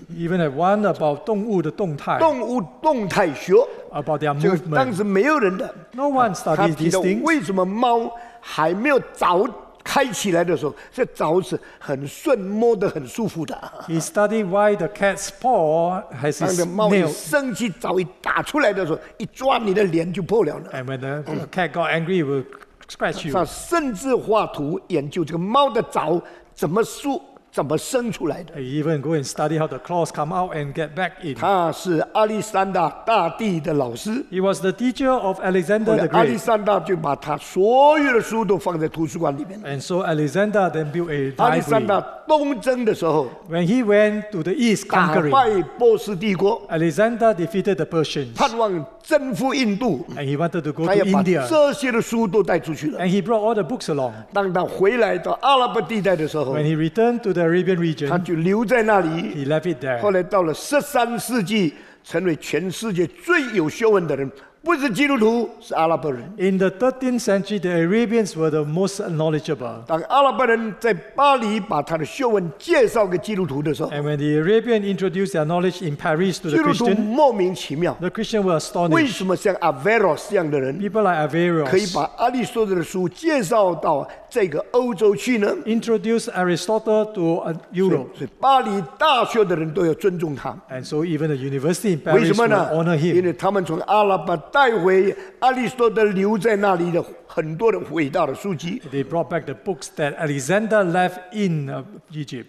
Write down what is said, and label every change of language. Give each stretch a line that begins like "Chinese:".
English: Even had one about
Chinese: 动物的动态。动物动态学。
English: About their movement.
Chinese: 这个当时没有人的。
English: No one studied these things.
Chinese: 他提到为什么猫还没有早开起来的时候，这爪子很顺，摸得很舒服的。
English: He studied why the cat's paw has its nail.
Chinese: 当猫一生气，爪一打出来的时候，一抓你的脸就破了了。
English: And when the cat got angry, it will scratch you.
Chinese: 他甚至画图研究这个猫的爪怎么竖、怎么伸出来的。
English: He even go and study how the claws come out and get back in.
Chinese: 他是亚历山大大帝的老师。
English: He was the teacher of Alexander the Great.
Chinese: 亚历山大就把他所有的书都放在图书馆里面。
English: And so Alexander then built a library.
Chinese: 亚历山大东征的时候
English: ，When he went to the east conquering,
Chinese: 打败波斯帝国
English: ，Alexander defeated the Persians.
Chinese: 盼望征服印度
English: ，And he wanted to go to India.
Chinese: 他要把这些的书都带出去了
English: ，And he brought all the books along.
Chinese: 当他回来到阿拉伯地带的时候
English: ，When he returned to the Arabian region,
Chinese: 他就留在那里
English: ，He left it there.
Chinese: 后来到了十三世纪，成为全世界最有学问的人。不是基督徒，是阿拉伯人。
English: In the 13th century, the Arabians were the most knowledgeable.
Chinese: 当阿拉伯人在巴黎把他的学问介绍给基督徒的时候
English: ，And when the Arabian introduced their knowledge in Paris to the Christian,
Chinese: 基督徒莫名其妙
English: ，The Christian were astonished.
Chinese: 为什么像 Averroes 这样的人
English: ，People like Averroes
Chinese: 可以把阿里士多德的书介绍到这个欧洲去呢
English: ？Introduce Aristotle to Europe.
Chinese: 所以巴黎大学的人都要尊重他
English: ，And so even the university in Paris will honor him.
Chinese: 因为他们从阿拉伯带回亚里士多德留在那里的很多的伟大的书籍。
English: They brought back the books that Alexander left in Egypt.